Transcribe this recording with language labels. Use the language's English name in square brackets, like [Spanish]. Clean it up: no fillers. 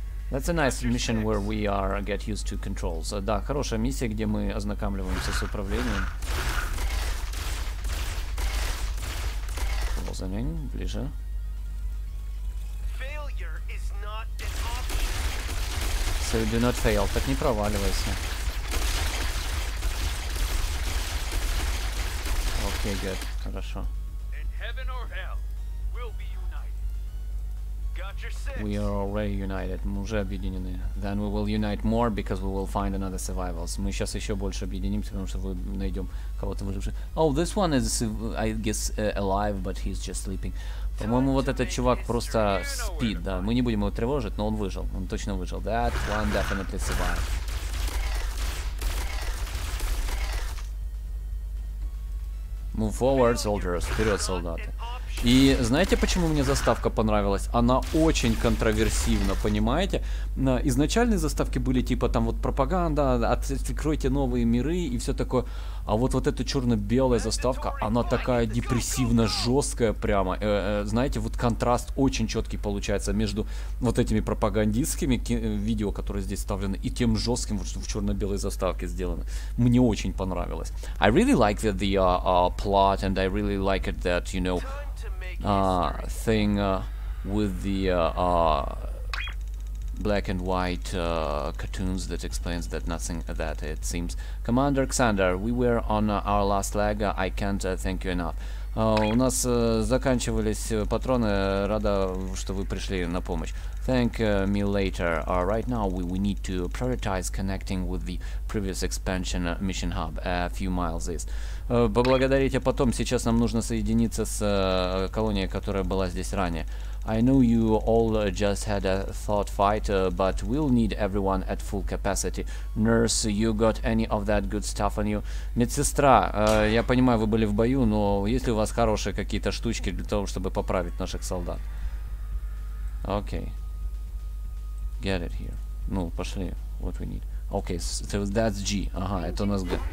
[English] That's a nice mission where we are get used to controls. [Russian] Да, хорошая миссия, где мы ознакомливаемся с управлением. [English] Closing in, [Russian] ближе. [English] Failure is not an option. So do not fail, [Russian] так не проваливайся. [English] Okay, good, [Russian] хорошо. [English] In heaven or hell, we'll be united. We are already united. [Russian] Мы уже объединены. [English] Then we will unite more because we will find another survivors. [Russian] Мы сейчас еще больше объединимся, потому что мы найдем кого-то выжившего. [English] Oh, this one is, I guess, alive, but he's just sleeping. [Russian] По-моему, вот этот чувак просто спит, да. Мы не будем его тревожить, но он выжил. Он точно выжил. [English] That one definitely survived. Move forward, soldiers. [Russian] Вперед, солдаты. И знаете, почему мне заставка понравилась? Она очень контроверсивна, понимаете? Изначальные заставки были типа там вот пропаганда, откройте новые миры и все такое. А вот вот эта черно-белая заставка, она такая депрессивно жесткая прямо. Знаете, вот контраст очень четкий получается между вот этими пропагандистскими видео, которые здесь вставлены, и тем жестким, что в черно-белой заставке сделано. Мне очень понравилось. [English] I really like that the plot, and I really like it that, you know, thing with the black and white cartoons that explains that nothing that it seems. Commander Xander, we were on our last leg. I can't thank you enough. [Russian] У нас заканчивались патроны. Рада, что вы пришли на помощь. [English] Thank me later. Right now we need to prioritize connecting with the previous expansion mission hub a few miles east. [Russian] Поблагодарите потом. Сейчас нам нужно соединиться с колонией, которая была здесь ранее. [English] I know you all just had a thought fight, but we'll need everyone at full capacity. Nurse, you got any of that good stuff on you? [Russian] Медсестра, я понимаю, вы были в бою, но есть ли у вас хорошие какие-то штучки для того, чтобы поправить наших солдат? [English] Okay. Get it here. [Russian] Ну, пошли. [English] What we need. Okay, so that's G. [Russian] Ага, это у нас G.